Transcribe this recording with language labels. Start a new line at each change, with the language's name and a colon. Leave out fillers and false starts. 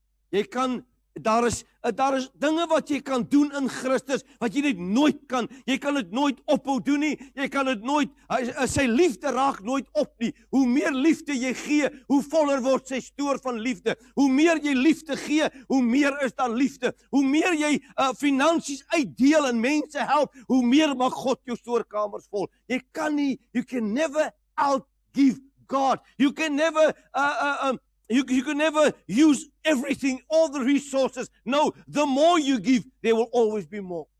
Afrikaans: Jy kan, daar is dinge wat jy kan doen in Christus, wat jy net nooit kan, jy kan dit nooit ophou doen nie, jy kan dit nooit, sy liefde raak nooit op nie. Hoe meer liefde jy gee, hoe voller word sy stoor van liefde. Hoe meer jy liefde gee, hoe meer is daar liefde. Hoe meer jy finansies uitdeel en mense help, hoe meer maak God jou stoorkamers vol.
English: You can never outgive God. You can never use everything, all the resources. No, the more you give, there will always be more.